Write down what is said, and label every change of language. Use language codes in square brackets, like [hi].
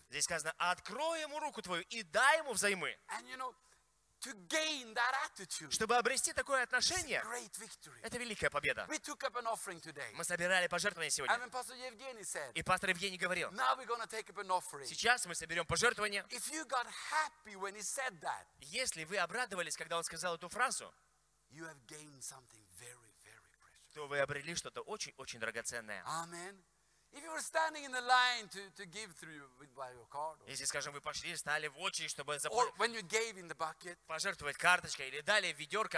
[ru] Здесь сказано: открой ему руку твою и дай ему взаймы. [en] And you know, to gain that attitude, [ru] чтобы обрести такое отношение, [en] it's a great victory. [ru] Это великая победа. [en] We took up an offering today. [ru] Мы собирали пожертвования сегодня. [en] And Pastor Evgeny said, [ru] и пастор Евгений говорил: [en] now we're gonna take up an offering. [ru] Сейчас мы соберем пожертвования. [en] If you got happy when he said that, [ru] если вы обрадовались, когда он сказал эту фразу, [en] you have gained something very, very precious. [ru] То вы обрели что-то очень-очень драгоценное. Аминь. [en] If you were standing in the line to give through by your card, [ru] если, скажем, вы пошли, стали в очередь, чтобы [en] when you gave in the bucket, [ru] пожертвовать карточкой или дали ведерко,